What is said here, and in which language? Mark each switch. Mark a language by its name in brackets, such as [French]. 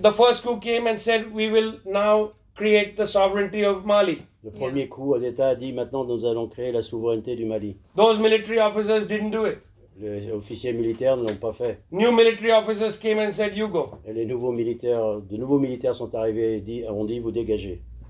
[English] The first coup came and said, "We will now create the sovereignty of Mali." [French] Le premier coup d'État a dit, maintenant nous allons créer la souveraineté du Mali. [English] Those military officers didn't do it. [French] Les officiers militaires ne l'ont pas fait. [English] New military officers came and said, "You go." [French] Et les nouveaux militaires, de nouveaux militaires sont arrivés et ont dit, vous dégagez.